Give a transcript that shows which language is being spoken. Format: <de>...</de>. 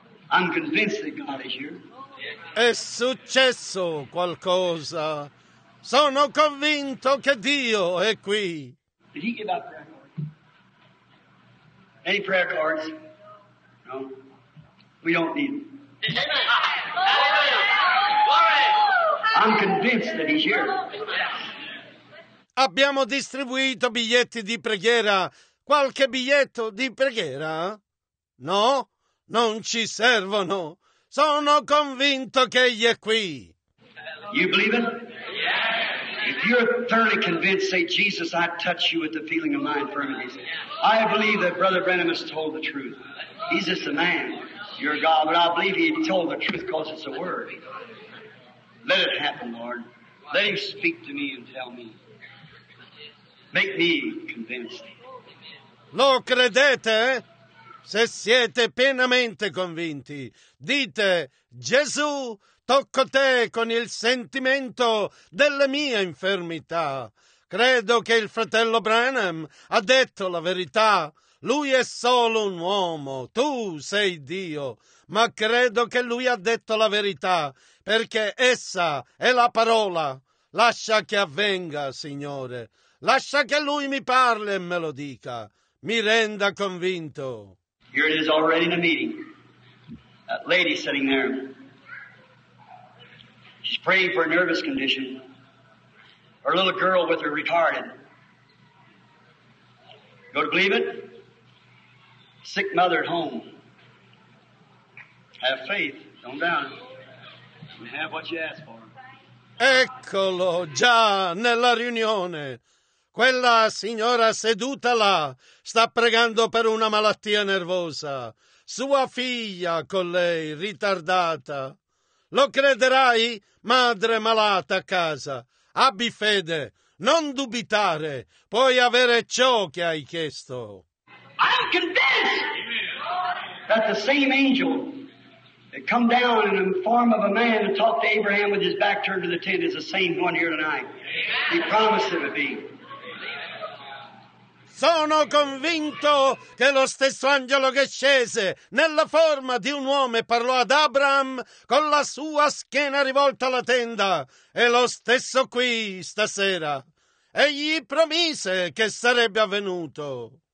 <en>I'm convinced that God is here.</en> <it>È successo qualcosa. Sono convinto che Dio è qui.</it> <en>Did He give out prayer cards? Any prayer cards? No? We don't need them. I'm convinced that He's here.</en> <it>Abbiamo distribuito biglietti di preghiera. Qualche biglietto di preghiera? No, non ci servono. Sono convinto che egli è qui.</it> <en>You believe it? Yes. If you're thoroughly convinced, say, Jesus, I touch you with the feeling of my infirmities. I believe that Brother Branham has told the truth. He's just a man. You're God, but I believe he told the truth because it's a word. Let it happen, Lord. Let him speak to me and tell me. Make me convinced.</en> <it>Lo credete? Se siete pienamente convinti, dite, Gesù, tocco te con il sentimento delle mie infermità. Credo che il fratello Branham ha detto la verità. Lui è solo un uomo, tu sei Dio, ma credo che lui ha detto la verità, perché essa è la parola. Lascia che avvenga, Signore, lascia che lui mi parli e me lo dica, mi renda convinto.</it> <en>Here it is already in the meeting. That lady sitting there, she's praying for a nervous condition. Her little girl with her retarded. You don't believe it? Sick mother at home. Have faith. Don't doubt it. And have what you ask for.</en> <it>Eccolo già nella riunione. Quella signora seduta là sta pregando per una malattia nervosa. Sua figlia con lei, ritardata. Lo crederai? Madre malata a casa. Abbi fede. Non dubitare. Puoi avere ciò che hai chiesto.</it> <en>I'm convinced that the same angel that come down in the form of a man and talked to Abraham with his back turned to the tent is the same one here tonight. He promised it would be.</en> <it>Sono convinto che lo stesso angelo che scese nella forma di un uomo e parlò ad Abraham con la sua schiena rivolta alla tenda è lo stesso qui stasera. Egli promise che sarebbe avvenuto.</it>